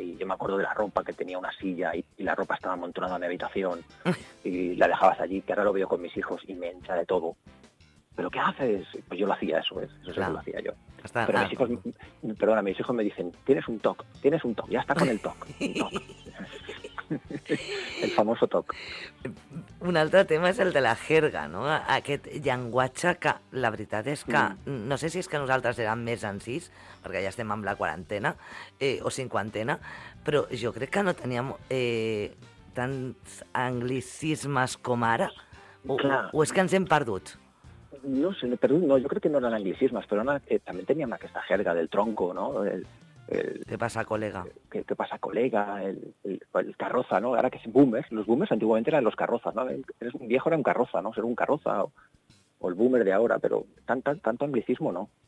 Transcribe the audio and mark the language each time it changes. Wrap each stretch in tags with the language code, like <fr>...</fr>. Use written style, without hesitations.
<es>Y yo me acuerdo de la ropa, que tenía una silla y la ropa estaba amontonada en mi habitación y la dejabas allí, que ahora lo veo con mis hijos y me entra de todo. ¿Pero qué haces? Pues yo lo hacía, eso es. Eso claro. Es lo que hacía yo. Mis hijos me dicen, tienes un toc, ya está con el toc. El famoso toc.</es> <ca>Un altre tema és el de la jerga, no? Aquest llenguatge que la veritat és que, no sé si és que nosaltres érem més encís, perquè ja estem amb la quarantena o cinquantena, però jo crec que no teníem tants anglicismes com ara, o és que ens hem perdut?</ca> <es>No sé, pero no, yo creo que no eran anglicismas, pero también tenían esta jerga del tronco, ¿no? ¿Qué pasa, colega? ¿Qué pasa, colega? El carroza, ¿no? Ahora que es boomer, los boomers antiguamente eran los carrozas, ¿no? Eres un viejo, era un carroza, ¿no? Ser un carroza o el boomer de ahora, pero tanto anglicismo, ¿no?</es>